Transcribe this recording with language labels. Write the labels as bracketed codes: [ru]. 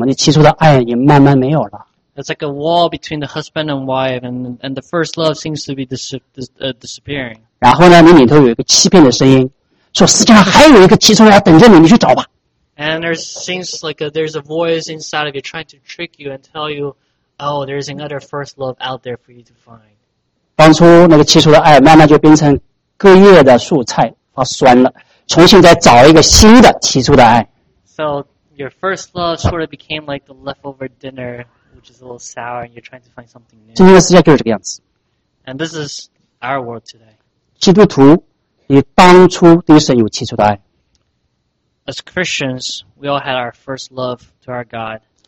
[zh] 是不是这样？很多家庭夫妻之间有个强颜相隔，为什么？你起初的爱也慢慢没有了。 [en] It's like a wall between the husband and wife, and the first love seems to be disappearing. [zh] 然后呢，你里头有一个欺骗的声音，说世界上还有一个其中人等着你，你去找吧。 [en] And there seems like there's a voice inside of you trying to trick you and tell you, oh, there's another first love out there for you to find. [zh] 当初那个起初的爱慢慢就变成隔夜的蔬菜发酸了，重新再找一个新的起初的爱。 [en] So your first love sort of became like the leftover dinner. Which is a little sour, and you're trying to find something new. [zh] 今天的世界就是这个样子。 [en] And this is our world today. [zh] 基督徒，你当初对神有起初的爱。 [en] As Christians, we all had our first love to our God.